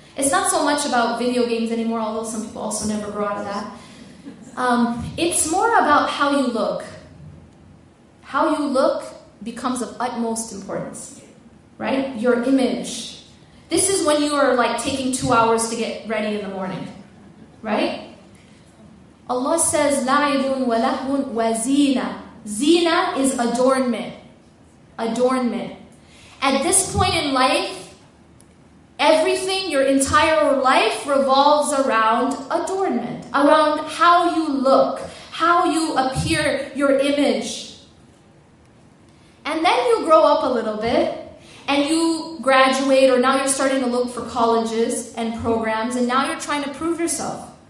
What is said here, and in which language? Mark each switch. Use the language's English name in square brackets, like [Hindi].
[English] It's not so much about video games anymore, although some people also never grow out of that. It's more about how you look. How you look becomes of utmost importance, right? Your image. This is when you are like taking 2 hours to get ready in the morning, right? Allah says, [Arabic] لَعِبٌ وَلَهْوٌ وَزِينَ. [English] Zina is adornment. Adornment. At this point in life, everything, your entire life revolves around adornment, around how you look, how you appear, your image. And then you grow up a little bit and you graduate, or now you're starting to look for colleges and programs, and now you're trying to prove yourself.